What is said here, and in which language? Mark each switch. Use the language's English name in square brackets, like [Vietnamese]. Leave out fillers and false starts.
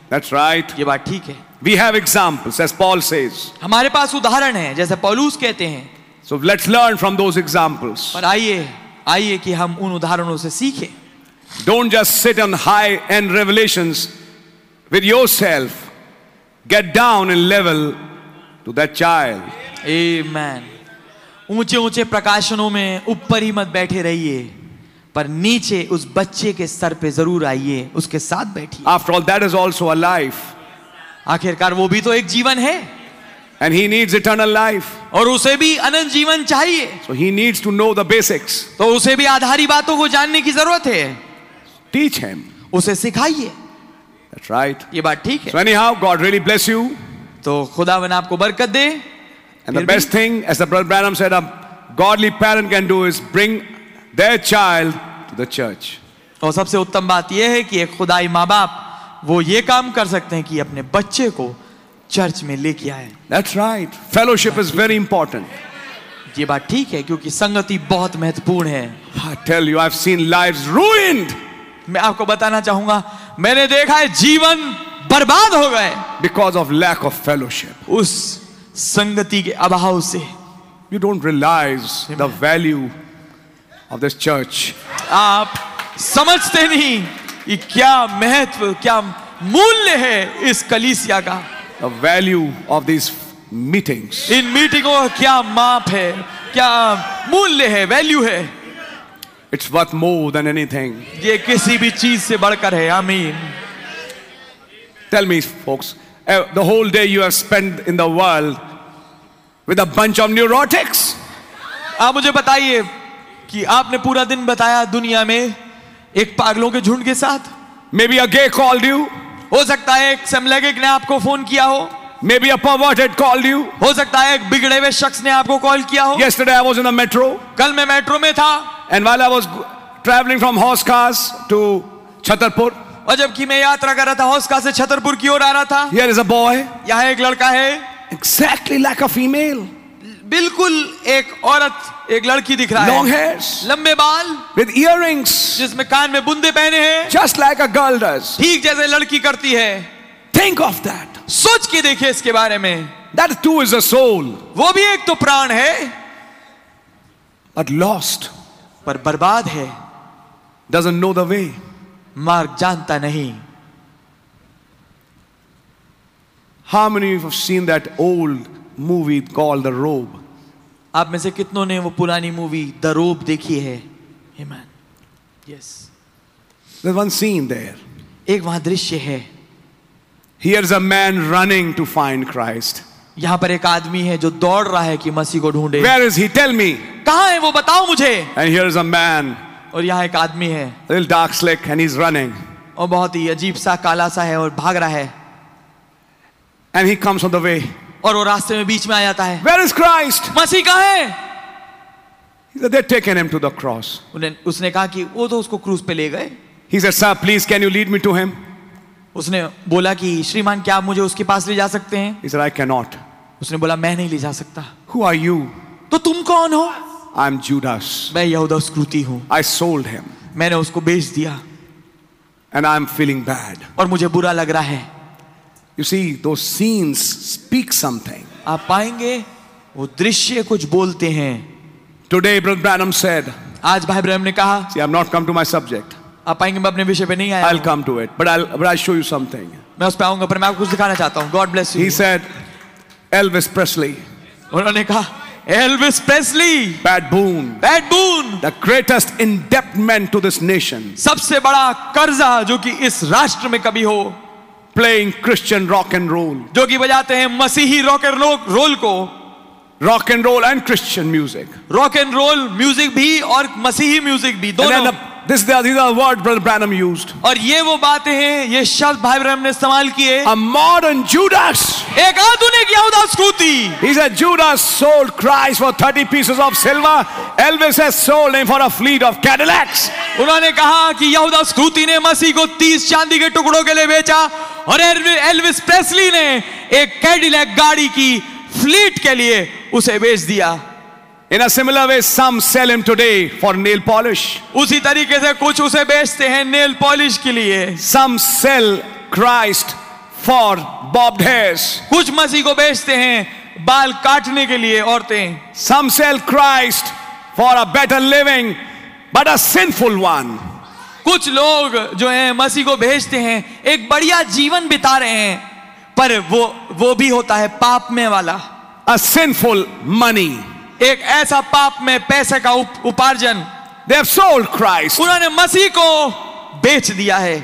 [English] That's right. [Hindi] ये बात ठीक है. [English] We have examples, as Paul says. [Hindi] हमारे पास उदाहरण है जैसे पौलुस कहते हैं. [English] So let's learn from those examples. [Hindi] पर आइए, आइए कि हम उन उदाहरणों से सीखें. [English] Don't just sit on high end revelations with yourself. Get down in level to that child. Amen. [Hindi] ऊंचे ऊंचे प्रकाशनों में ऊपर ही मत बैठे रहिए, पर नीचे उस बच्चे के सर पे जरूर आइए, उसके साथ बैठिए. [English] After all, that is also a life. [Hindi] आखिरकार वो भी तो एक जीवन है. [English] And he needs eternal life. [Hindi] और उसे भी अनंत जीवन चाहिए. [English] So he needs to know the basics. [Hindi] तो उसे भी आधारी बातों को जानने की जरूरत है. [English] Teach him. [Hindi] उसे सिखाइए. [English] That's right. [Hindi] ये बात ठीक है. [English] So anyhow, God really bless you. [Hindi] तो खुदावन आपको बरकत दे. [English] And the best thing, as the brother Branham said, a godly parent can do is bring their child to the church. [Hindi] और सबसे उत्तम बात यह है कि एक खुदाई माँ बाप वो ये काम कर सकते हैं कि अपने बच्चे को चर्च में लेके आए. [English] That's right. Fellowship is very important. [Hindi] ये बात ठीक है क्योंकि संगति बहुत महत्वपूर्ण है. [English] I tell you, I've seen lives ruined. [Hindi] मैं आपको बताना चाहूंगा, मैंने देखा है जीवन बर्बाद हो गए. [English] Because of lack of fellowship. [Hindi] उस संगति के अभाव से. [English] You don't realize the value of this church. [Hindi] आप समझते नहीं कि क्या महत्व, क्या मूल्य है इस कलीसिया का. [English] The value of these meetings. In meetings, [Hindi] क्या माप है, क्या मूल्य है, value है. [English] It's worth more than anything. [Hindi] ये किसी भी चीज़ से बढ़कर है. [English] Amen. Tell me, folks, the whole day you have spent in the world with a bunch of neurotics. [Hindi] आप मुझे बताइए कि आपने पूरा दिन बताया दुनिया में एक पागलों के झुंड के साथ. [English] Maybe a gay called you. [Hindi] हो सकता है एक समलैंगिक ने आपको फोन किया हो. [English] Maybe a perverted called you. [Hindi] हो सकता है एक बिगड़े हुए शख्स ने आपको कॉल किया हो. [English] Yesterday I was in the metro. [Hindi] कल मैं मेट्रो में था. [English] And while I was traveling from Hauskas to Chhatarpur. [Hindi] और जबकि मैं यात्रा कर रहा था हौसका से छतरपुर की ओर आ रहा था. [English] Here is a boy. [Hindi] यहाँ एक लड़का है. [English] Exactly like a female. [Hindi] बिल्कुल एक औरत, एक लड़की दिख रहा है. [English] Long hairs, [Hindi] लंबे बाल, [English] with earrings, [Hindi] जिसमें कान में बुंदे पहने हैं. [English] Just like a girl does. [Hindi] ठीक जैसे लड़की करती है. [English] Think of that. [Hindi] सोच के देखिए इसके बारे में. [English] That too is a soul. [Hindi] वो भी एक तो प्राण है. [English] But lost. [Hindi] पर बर्बाद है. [English] Doesn't know the way. [Hindi] मार्ग जानता नहीं. [English] How many of you have seen that old movie called The Robe? [Hindi] आप में से कितनों ने वो पुरानी मूवी द रोब देखी है? [English] Amen. Yes. There's one scene there. [Hindi] एक वहां दृश्य है. [English] Here's a man running to find Christ. [Hindi] यहां पर एक आदमी है जो दौड़ रहा है कि मसीह को ढूंढे. [English] Where is he? Tell me. [Hindi] कहां है वो, बताओ मुझे. [English] And here's a man. [Hindi] और यहां एक आदमी है. [English] A little dark slick and he's running. [Hindi] और बहुत ही अजीब सा, काला सा है और भाग रहा है. [English] And he comes on the way. [Hindi] और वो रास्ते में बीच में आ जाता है. [English] Where is Christ? [Hindi] मसीह कहाँ है? [English] He said, they've taken him to the cross. [Hindi] उसने कहा कि वो तो उसको क्रूस पे ले गए. [English] He said, sir, please, can you lead me to him? [Hindi] उसने बोला कि श्रीमान, क्या आप मुझे उसके पास ले जा सकते हैं? [English] He said, I cannot. [Hindi] उसने बोला, मैं नहीं ले जा सकता. [English] Who are you? [Hindi] तो तुम कौन हो? [English] I'm Judas. [Hindi] मैं यहूदा इस्करियोती हूँ. [English] I sold him. [Hindi] मैंने उसको बेच दिया. [English] And I'm feeling bad. [Hindi] और मुझे बुरा लग रहा है. [English] You see, those scenes speak something. [Hindi] आप पाएंगे वो दृश्य कुछ बोलते हैं. [English] Today, Brother Branham said. [Hindi] आज भाई ब्रह्म ने कहा. [English] See, I've not come to my subject. [Hindi] आप पाएंगे मैं अपने विषय पे नहीं आया. [English] I'll come to it, but I'll show you something. [Hindi] मैं उस पे आऊँगा, पर मैं आपको कुछ दिखाना चाहता हूँ. [English] God bless you. He said, Elvis Presley. [Hindi] उन्होंने कहा, Elvis Presley. [English] Bad Boone. The greatest indebtment to this nation. [Hindi] सबसे बड़ा कर्जा जो कि इस राष्ट्र में कभी हो. [English] Playing Christian rock and roll. [Hindi] जो कि बजाते हैं मसीही रॉक एंड रोल को. [English] Rock and roll and Christian music. Rock and roll music [Hindi] भी और मसीही music भी दोनों. [English] These are words Brother Branham used. [Hindi] और ये वो बातें हैं, ये शब्द भाई ब्रह्म ने इस्तेमाल किए. [English] A modern Judas. [Hindi] एक आधुनिक यहूदा स्कूती. [English] He said Judas sold Christ for 30 pieces of silver. Elvis has sold him for a fleet of Cadillacs. [Hindi] उन्होंने कहा कि यहूदा स्कूती ने मसीह को 30 चांदी के टुकड़ों के लिए बेचा और एल्विस प्रेस्ली ने एक कैडिलैक गाड़ी की फ्लीट के लिए उसे बेच दिया. [English] In a similar way, some sell him today for nail polish. [Hindi] उसी तरीके से कुछ उसे बेचते हैं नेल पॉलिश के लिए. [English] Some sell Christ for bobbed hairs. [Hindi] कुछ मसीह को बेचते हैं बाल काटने के लिए औरतें. [English] Some sell Christ for a better living, but a sinful one. [Hindi] कुछ लोग जो हैं मसीह को बेचते हैं एक बढ़िया जीवन बिता रहे हैं, पर वो भी होता है पाप में वाला. [English] A sinful money. [Hindi] एक ऐसा पाप में पैसे का उपार्जन. [English] They have sold Christ. [Hindi] उन्होंने मसीह को बेच दिया है.